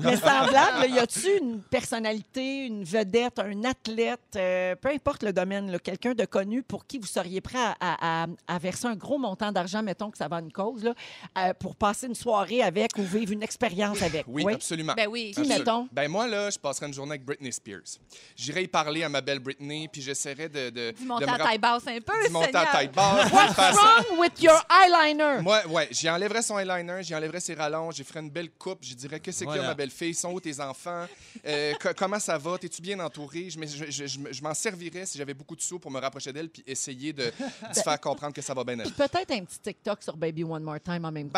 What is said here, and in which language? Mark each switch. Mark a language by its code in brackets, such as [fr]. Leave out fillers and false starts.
[fr] Mais semblable, y a-tu une personnalité, une vedette, un athlète, peu importe le domaine, là, quelqu'un de connu pour qui vous seriez prêt à verser un gros montant d'argent, mettons que ça va à une cause, là, pour passer une soirée avec ou vivre une expérience avec. Oui, absolument. Ben oui. Qui, mettons? Ben moi, là, je passerais une journée avec Britney Spears. J'irai y parler à ma belle Britney, puis j'essaierai de Du montant à taille basse. [en] What's wrong with your eyeliner? [fr] Moi, ouais, j'y enlèverais son eyeliner, j'y enlèverais ses rallonges, j'y ferais une belle coupe, je dirais que c'est ma belle fille, sont où tes enfants? comment ça va? T'es-tu bien entouré? Je m'en servirais si j'avais beaucoup de sous pour me rapprocher d'elle puis essayer de faire comprendre que ça va bien être. Peut-être un petit TikTok sur Baby One More Time en même temps.